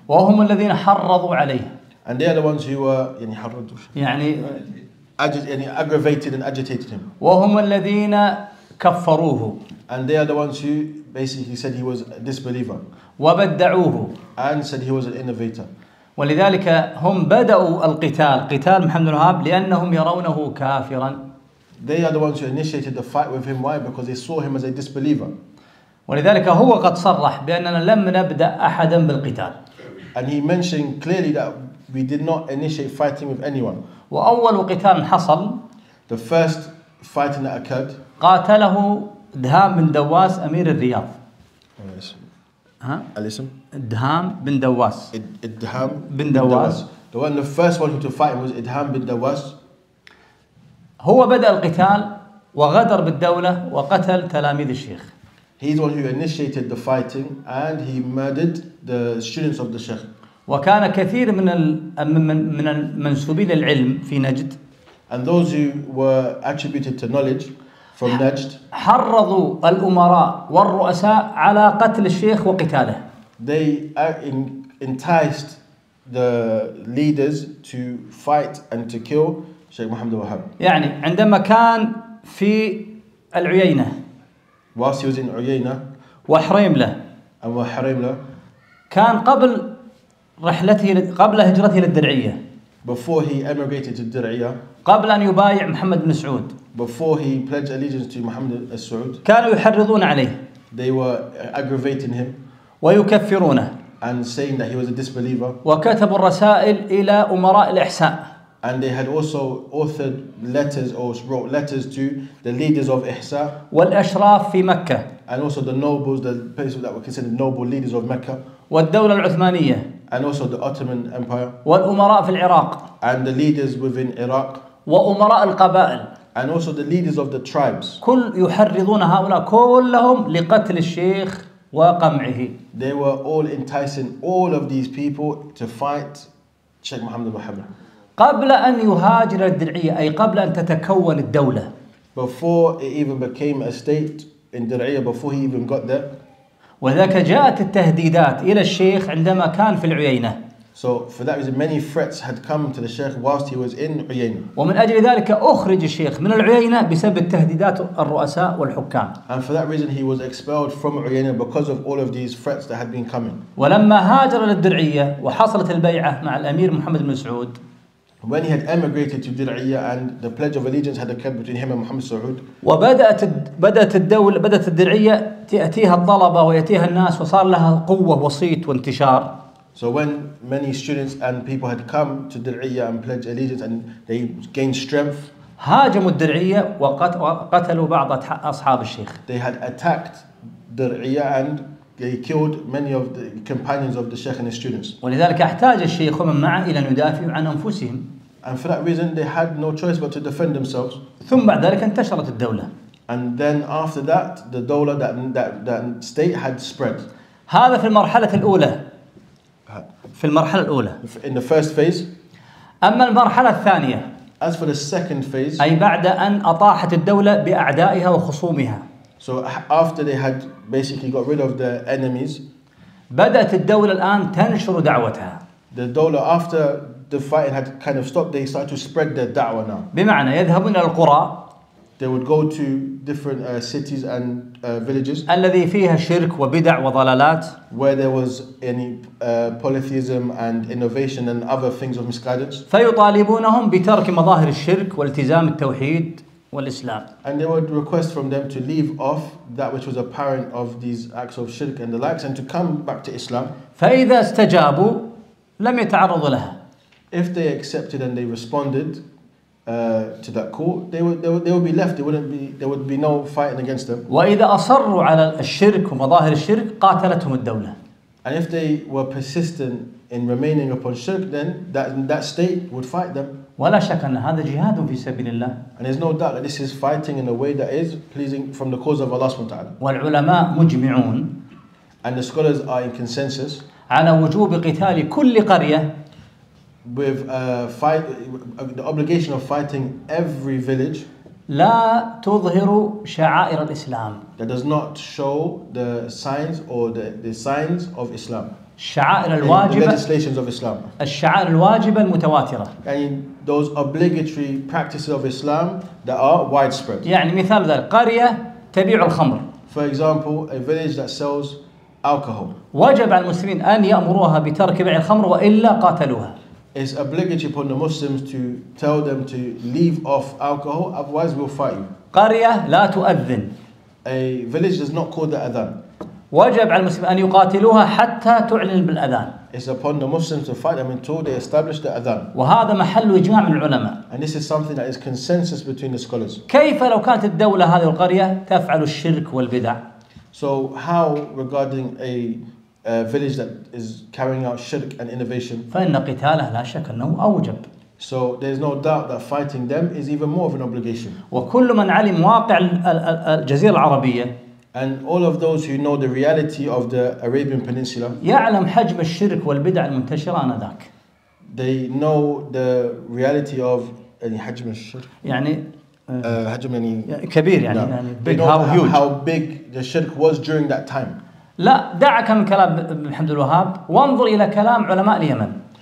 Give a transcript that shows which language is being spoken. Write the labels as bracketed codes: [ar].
[ar] وهم الذين حرضوا عليه. [en] And they are the ones who were [ar] يعني حرضوا. يعني [en] يعني aggravated and agitated him. [ar] وهم الذين كفروه. [en] And they are the ones who basically said he was a disbeliever. [ar] وبدعوه. [en] And said he was an innovator. [ar] ولذلك هم بدأوا القتال قتال محمد الوهاب لأنهم يرونه كافرا. [en] They are the ones who initiated the fight with him. Why? Because they saw him as a disbeliever. [ar] ولذلك هو قد صرح بأننا لم نبدأ أحدا بالقتال. [en] And he mentioned clearly that we did not initiate fighting with anyone. [ar] وأول قتال حصل. [en] The first fighting that occurred. [ar] قاتله دهام بن دواس أمير الرياض. [en] Yes. [ar] ها؟ الاسم؟ إدهام بن دواس. إدهام بن دواس. [en] The one, the first one who to fight was إدهام بن دواس. [ar] هو بدأ القتال وغدر بالدولة وقتل تلاميذ الشيخ. [en] He's the one who initiated the fighting and he murdered the students of the sheikh. [ar] وكان كثير من من المنسوبين للعلم في نجد. [en] And those who were attributed to knowledge. From Najd. [ar] حرضوا الأمراء والرؤساء على قتل الشيخ وقتاله. [en] They enticed the leaders to fight and to kill Sheikh Muhammad Wahhab. [ar] يعني عندما كان في العيينة. [en] Whilst he was in عيينة. [ar] وحريمله. [en] And وحريمله. [ar] كان قبل رحلته قبل هجرته للدرعية. [en] Before he emigrated to الدرعية. [ar] قبل أن يبايع محمد بن سعود. [en] Before he pledged allegiance to Muhammad al-Saud, [ar] كانوا يحرضون عليه. [en] They were aggravating him. [ar] ويكفرونه. [en] And saying that he was a disbeliever. [ar] وكتبوا الرسائل إلى أمراء الإحساء. [en] And they had also authored letters or wrote letters to the leaders of إحساء. [ar] والأشراف في مكة. [en] And also the nobles, the people that were considered noble leaders of Mecca. [ar] والدولة العثمانية. [en] And also the Ottoman Empire. [ar] والأمراء في العراق. [en] And the leaders within Iraq. [ar] وأمراء القبائل. [en] And also the leaders of the tribes. [ar] كل يحرضون هؤلاء كلهم لقتل الشيخ وقمعه. [en] They were all enticing all of these people to fight Sheikh Muhammad al-Wahhab. [ar] قبل أن يهاجر الدرعية أي قبل أن تتكون الدولة. [en] Before it even became a state in Dir'iyah, before he even got there. [ar] وذاك جاءت التهديدات إلى الشيخ عندما كان في العيينة. [en] So for that reason, many threats had come to the Sheikh whilst he was in Uyayna. [ar] ومن أجل ذلك أخرج الشيخ من العيينة بسبب التهديدات الرؤساء والحكام. [en] And for that reason, he was expelled from Uyayna because of all of these threats that had been coming. [ar] ولما هاجر للدرعية وحصلت البيعة مع الأمير محمد بن سعود. [en] When he had emigrated to Diriyah and the pledge of allegiance had occurred between him and Muhammad Saud. [ar] وبدأت الدرعية تأتيها الطلبة ويأتيها الناس وصار لها قوة وصيت وانتشار. [en] So when many students and people had come to Diriyah and pledged allegiance and they gained strength. [ar] هاجموا الدرعية وقتلوا بعض أصحاب الشيخ. [en] They had attacked Diriyah and they killed many of the companions of the Sheikh and his students. [ar] ولذلك احتاج الشيخ ومن معه إلى أن يدافع عن أنفسهم. [en] And for that reason, they had no choice but to defend themselves. [ar] ثم بعد ذلك انتشرت الدولة. [en] And then after that, the dawla that state had spread. [ar] هذا في المرحلة الأولى. في المرحلة الأولى. [en] In the first phase. [ar] أما المرحلة الثانية. [en] As for the second phase. [ar] أي بعد أن أطاحت الدولة بأعدائها وخصومها. [en] So after they had basically got rid of their enemies, [ar] بدأت الدولة الآن تنشر دعوتها. [en] The dawla after the fighting had kind of stopped, they started to spread their da'wah now. [ar] بمعنى يذهبون إلى القرى. [en] They would go to different cities and villages. [ar] الذي فيها شرك وبدع وضلالات. [en] Where there was any polytheism and innovation and other things of misguidance. [ar] فيطالبونهم بترك مظاهر الشرك والتزام التوحيد. والإسلام. [en] And they would request from them to leave off that which was apparent of these acts of shirk and the likes, and to come back to Islam. [ar] فإذا استجابوا لم يتعرضوا لها. [en] If they accepted and they responded to that call, they would be left. There would be no fighting against them. [ar] وإذا أصروا على الشرك ومظاهر الشرك قاتلتهم الدولة. [en] And if they were persistent in remaining upon shirk, then that state would fight them. [ar] ولا شك أن هذا جهاد في سبيل الله. [en] And there's no doubt that this is fighting in a way that is pleasing from the cause of Allah subhanahu wa ta'ala. [ar] والعلماء مجمعون. [en] And the scholars are in consensus. [ar] على وجوب قتال كل قرية. [en] With the obligation of fighting every village. [ar] لا تظهر شعائر الإسلام. [en] That does not show the signs or the signs of Islam. [ar] الشعائر الواجبة. [en] The legislations of Islam. [ar] الشعائر الواجبة المتواترة. [en] يعني those obligatory practices of Islam that are widespread. [ar] يعني مثال ذلك قرية تبيع الخمر. [en] For example, a village that sells alcohol. [ar] واجب على المسلمين أن يأمروها بترك بيع الخمر وإلا قاتلوها. [en] It's obligatory upon the Muslims to tell them to leave off alcohol, otherwise we'll fight you. [ar] قرية لا تؤذن. [en] A village does not call the adhan. [ar] واجب على المسلمين أن يقاتلوها حتى تعلن بالأذان. [en] It's upon the Muslims to fight them until they establish the adhan. [ar] وهذا محل إجماع من العلماء. [en] And this is something that is consensus between the scholars. [ar] كيف لو كانت الدولة هذه القرية تفعل الشرك والبدع؟ [en] So how regarding a village that is carrying out shirk and innovation. [ar] فإن قتاله لا شك أنه أوجب. [en] So there's no doubt that fighting them is even more of an obligation. [ar] وكل من علم واقع الجزيرة العربية. [en] And all of those who know the reality of the Arabian Peninsula. [ar] يعلم حجم الشرك والبدع المنتشر آنذاك. [en] They know the reality of [ar] يعني حجم الشرك. يعني. حجم يعني. كبير يعني. [en] Big how huge. How big the shirk was during that time. [ar] لا دعك من كلام الحمد الوهاب وانظر إلى كلام علماء اليمن.